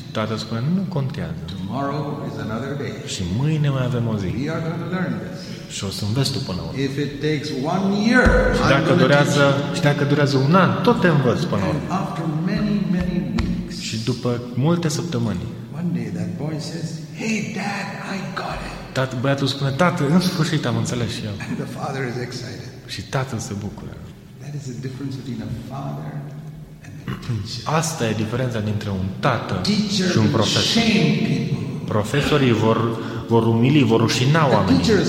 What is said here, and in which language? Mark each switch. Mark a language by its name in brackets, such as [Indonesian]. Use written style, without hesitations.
[Romanian] Tatăl spune, nu contează. [English] Tomorrow is another day. [Romanian] Și mâine mai avem o zi. [English] We are going to learn this. [Romanian] Și o să înveți tu până la urmă. [English] If it takes 1 year, [Romanian] și dacă durează, și dacă durează un an, tot te învăț până la urmă. [English] And after many, many weeks, [Romanian] și după multe săptămâni, [English] one day that boy says, hey, dad, I got it. [Romanian] Tatăl, băiatul spune, tată, în sfârșit am înțeles și eu. [English] And the father is excited. [Romanian] Și tatăl se bucură. [English] That is the difference between a father. [Romanian] Asta e diferența dintre un tată și un profesor. Profesorii vor umili, vor rușina oamenii.